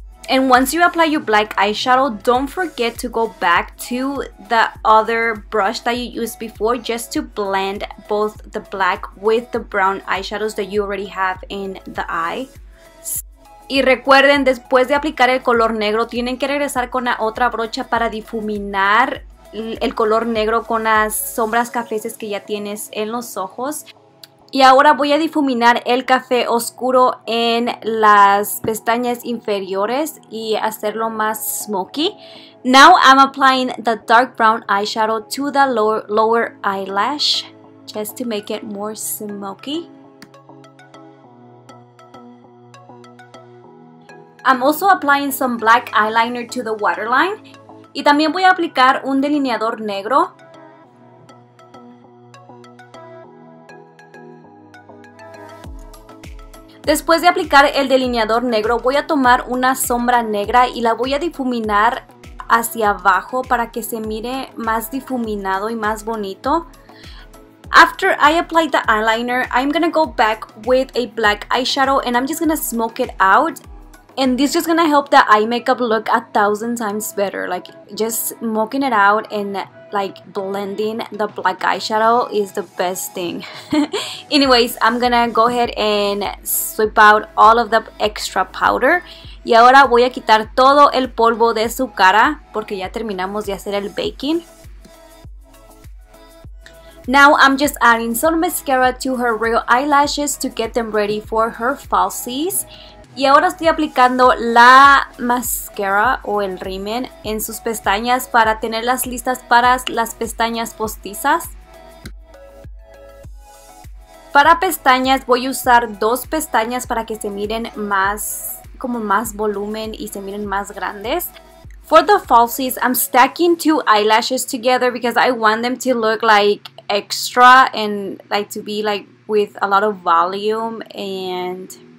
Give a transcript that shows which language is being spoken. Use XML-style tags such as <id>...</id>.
<en>And once you apply your black eyeshadow, don't forget to go back to the other brush that you used before just to blend both the black with the brown eyeshadows that you already have in the eye.</en> <es>Y recuerden, después de aplicar el color negro, tienen que regresar con la otra brocha para difuminar el color negro con las sombras cafés que ya tienes en los ojos. Y ahora voy a difuminar el café oscuro en las pestañas inferiores y hacerlo más smoky.</es> <en>Now I'm applying the dark brown eyeshadow to the lower eyelash just to make it more smoky. I'm also applying some black eyeliner to the waterline.</en> <es>Y también voy a aplicar un delineador negro. Después de aplicar el delineador negro, voy a tomar una sombra negra y la voy a difuminar hacia abajo para que se mire más difuminado y más bonito.</es> <en>After I apply the eyeliner, I'm gonna go back with a black eyeshadow and I'm just gonna smoke it out. And this is gonna help the eye makeup look 1,000 times better. Like, just smoking it out and like blending the black eyeshadow is the best thing. Anyways, I'm gonna go ahead and sweep out all of the extra powder.</en> <es>Y ahora voy a quitar todo el polvo de su cara porque ya terminamos de hacer el baking.</es> <en>Now I'm just adding some mascara to her real eyelashes to get them ready for her falsies.</en> <es>Y ahora estoy aplicando la mascara o el rímel en sus pestañas para tenerlas listas para las pestañas postizas. Para pestañas voy a usar dos pestañas para que se miren más, como más volumen y se miren más grandes.</es> <en>For the falsies, I'm stacking two eyelashes together because I want them to look like extra and like to be like with a lot of volume and...</en>